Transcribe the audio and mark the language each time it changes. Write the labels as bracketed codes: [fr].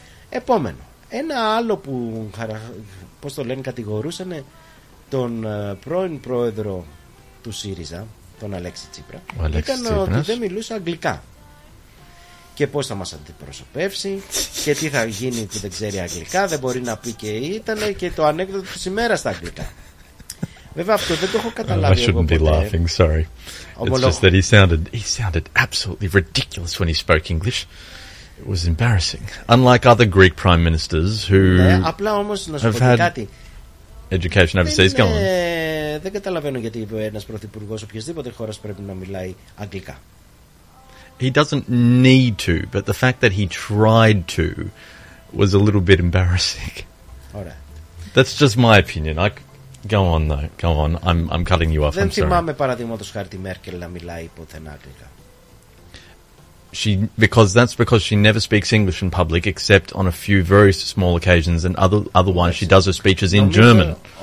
[el] Επόμενο, ένα άλλο που πώς το λένε, κατηγορούσαν τον πρώην πρόεδρο του ΣΥΡΙΖΑ, τον Αλέξη Τσίπρα, ήταν ότι δεν μιλούσε αγγλικά και πώς θα μας αντιπροσωπεύσει και τι θα γίνει που δεν ξέρει αγγλικά, δεν μπορεί να πει και ήταν και το ανέκδοτο της ημέρας στα αγγλικά. Βέβαια, αυτό δεν το έχω καταλάβει. [en] I shouldn't [el] εγώ [en] be laughing, sorry. [el] Ομολόγω. [en] It's just that he sounded absolutely ridiculous when he spoke English. It was embarrassing. Unlike other Greek prime ministers who [el] απλά όμως να σου πω κάτι. [en] Education overseas, go on. [el] Δεν καταλαβαίνω γιατί ένας πρωθυπουργός οποιασδήποτε χώρας πρέπει να μιλάει αγγλικά. [en] He doesn't need to, but the fact that he tried to was a little bit embarrassing. [el] Ωραία. [en] That's just my opinion. Go on, I'm cutting you off. [el] Δεν [en] I'm sorry. [el] Θυμάμαι παραδείγματος χάρη τη Μέρκελ να μιλάει ποθενά αγγλικά. [en] That's because she never speaks English in public except on a few very small occasions and otherwise she does her speeches in German.